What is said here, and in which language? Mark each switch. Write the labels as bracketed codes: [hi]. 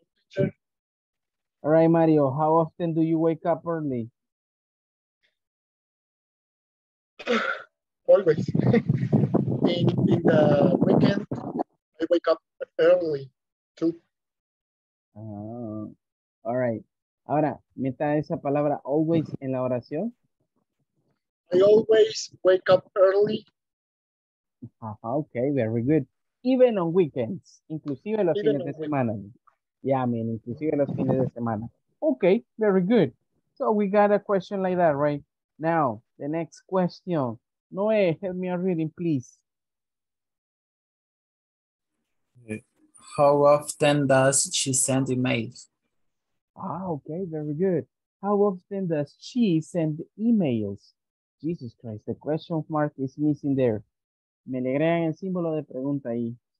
[en] Sure. All right, Mario, how often do you wake up early? Always. In the weekend, I wake up early too. Oh, all right. [es] Ahora, meta esa palabra always en la oración. [en] I always wake up early. Okay, very good. Even on weekends, [es] inclusive los fines de semana. [en] Yeah, I mean, [es] inclusive los fines de semana. [en] Okay, very good. So we got a question like that, right? Now, the next question. Noe, help me out reading, please. How often does she send emails? Ah, okay, very good. How often does she send emails? Jesus Christ, the question mark is missing there. [es] Me le agregan el símbolo de pregunta ahí.